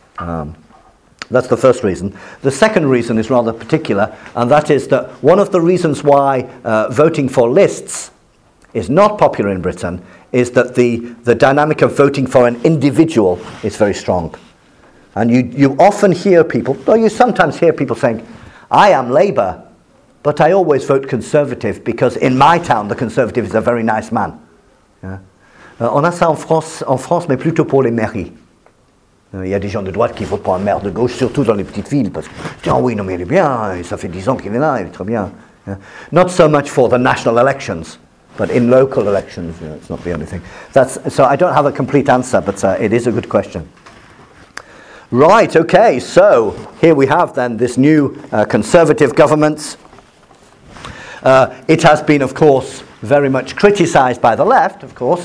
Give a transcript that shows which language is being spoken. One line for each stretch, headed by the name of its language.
English: That's the first reason. The second reason is rather particular, and that is that one of the reasons why voting for lists is not popular in Britain is that the dynamic of voting for an individual is very strong. And you often hear people, or you sometimes hear people saying, I am Labour, but I always vote Conservative because in my town the Conservative is a very nice man. Yeah.
French: On a ça en France, mais plutôt pour les mairies. Il y a des gens de droite qui votent pour un maire de gauche, surtout dans les petites villes, parce que, tiens, oui, non, mais il est bien, et ça fait 10 ans qu'il est là, il est très bien.
English: Yeah. Not so much for the national elections. But in local elections, you know, it's not the only thing. So I don't have a complete answer, but it is a good question. Right, okay, so here we have then this new Conservative government. It has been, of course, very much criticised by the left, of course.